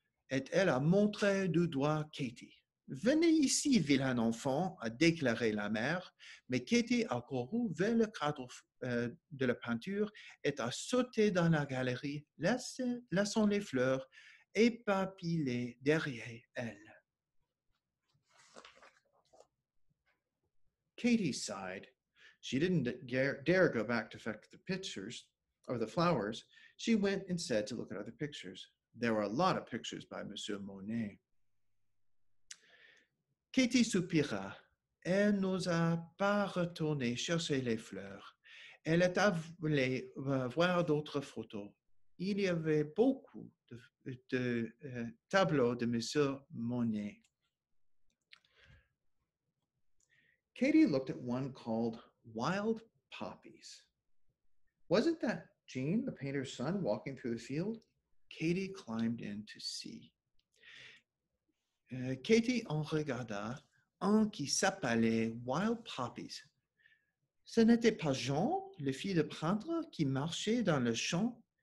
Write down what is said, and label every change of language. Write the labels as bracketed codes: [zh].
[fr] Et elle a montré du doigt Katie. Venez ici, vilain enfant, a déclaré la mère. Mais Katie a couru vers le cadre de la peinture et a sauté dans la galerie, laissant les fleurs éparpillées derrière elle. [en] Katie sighed. She didn't dare go back to fetch the pictures. Of the flowers, she went instead to look at other pictures. There were a lot of pictures by Monsieur Monet. [fr] Katie soupira. Elle n'osa pas retourner chercher les fleurs. Elle est allée voir d'autres photos. Il y avait beaucoup de tableaux de Monsieur Monet. [en] Katie looked at one called Wild Poppies. Wasn't that Jean, the painter's son, walking through the field? Katie climbed in to see. [fr] Katie en regarda un qui s'appelait Wild Poppies. Ce n'était pas Jean, le fils de peintre, qui marchait dans le champ.